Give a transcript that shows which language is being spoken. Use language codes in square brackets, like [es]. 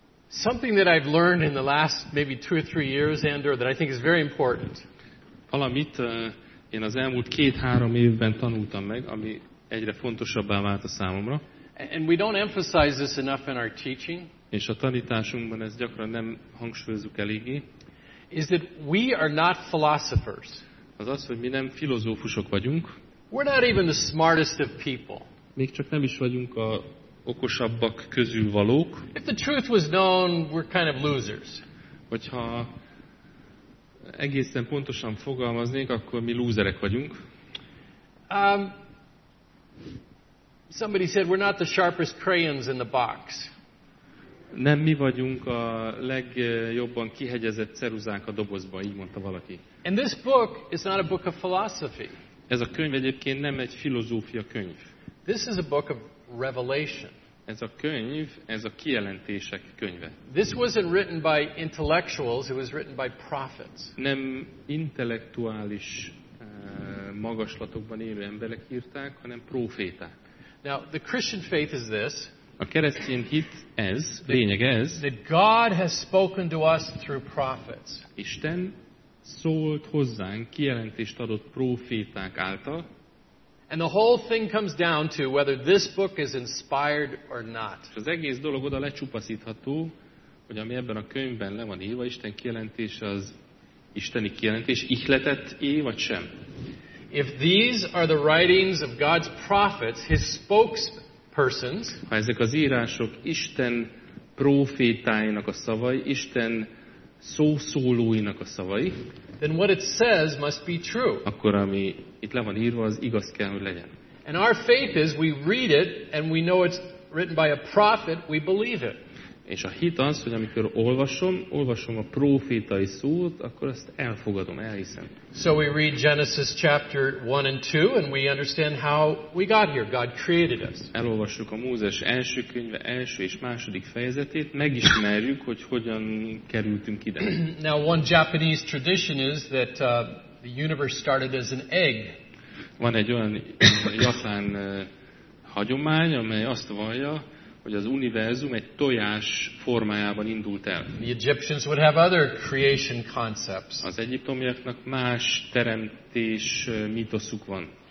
[en] Something that I've learned in the last maybe two or three years, Andor, that I think is very important. [hu] Valamit én az elmúlt két-három évben tanultam meg, ami egyre fontosabbá vált a számomra. [en] And we don't emphasize this enough in our teaching. [hu] És a tanításunkban ezt gyakran nem hangsúlyozzuk eléggé. [en] Is that we are not philosophers. [hu] Azaz, hogy mi nem filozófusok vagyunk. [en] We're not even the smartest of people. [hu] Még csak nem is vagyunk a okosabbak közül valók. [en] If the truth was known, we're kind of losers. [hu] Hogyha egészen pontosan fogalmaznék, akkor mi lúzerek vagyunk. [en] Somebody said we're not the sharpest crayons in the box. [hu] Nem mi vagyunk a legjobban kihegyezett ceruzánk a dobozban, így mondta valaki. [en] And this book is not a book of philosophy. [hu] Ez a könyv egyébként nem egy filozófia könyv. [en] This is a book of revelation. [hu] Ez a könyv, ez a kijelentések könyve. [en] This wasn't written by intellectuals, it was written by prophets. [hu] Nem intellektuális magaslatokban élő emberek írták, hanem proféták. [en] Now, the Christian faith is this. [hu] A keresztény hit ez, lényeg ez. [en] That God has spoken to us through prophets. [hu] Isten szólt hozzánk, kijelentést adott proféták által. [en] And the whole thing comes down to whether this book is inspired or not. [hu] Az egész dolog oda lecsupaszítható, hogy ami ebben a könyvben le van írva, Isten kijelentése, az isteni kijelentés, ihletett-e vagy sem. [en] If these are the writings of God's prophets, his spokespersons, [hu] ha ezek az írások Isten prófétáinak a szavai, Isten szószólóinak a szavai, [en] then what it says must be true. [hu] Akkor ami itt le van írva, az igaz kell, hogy legyen. [en] And our faith is we read it and we know it's written by a prophet, we believe it. [hu] És a hit az, hogy amikor olvasom a prófétai szót, akkor ezt elfogadom, elhiszem. [en] So we read Genesis chapter 1 and 2 and we understand how we got here. God created us. [hu] Elolvassuk a Mózes első könyve első és második fejezetét, megismerjük, hogy hogyan kerültünk ide. [en] Now one Japanese tradition is that the universe started as an egg. [hu] Van egy olyan japán hagyomány, amely azt vallja, hogy az univerzum egy tojás formájában indult el. [en] The Egyptians would have other creation concepts. [hu] Az egyiptomiaknak más teremtés mítoszuk van.